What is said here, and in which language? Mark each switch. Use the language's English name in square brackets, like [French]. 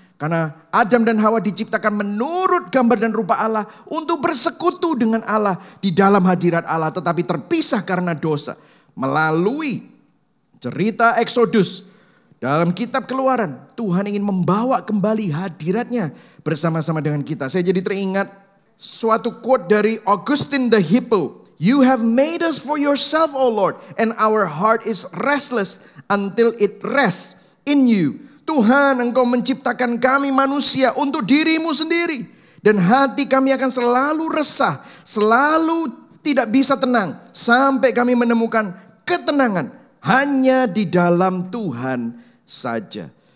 [Indonesian] Karena Adam dan Hawa diciptakan menurut gambar dan rupa Allah untuk bersekutu dengan Allah di dalam hadirat Allah. Tetapi terpisah karena dosa. Melalui cerita Eksodus dalam kitab Keluaran, Tuhan ingin membawa kembali hadiratnya bersama-sama dengan kita. Saya jadi teringat suatu quote dari Augustine the Hippo. [English] You have made us for yourself, O Lord, and our heart is restless until it rests in you. [Indonesian] Tuhan, engkau menciptakan kami manusia untuk dirimu sendiri. Dan hati kami akan selalu resah, selalu tidak bisa tenang. Sampai kami menemukan ketenangan hanya di dalam Tuhan saja.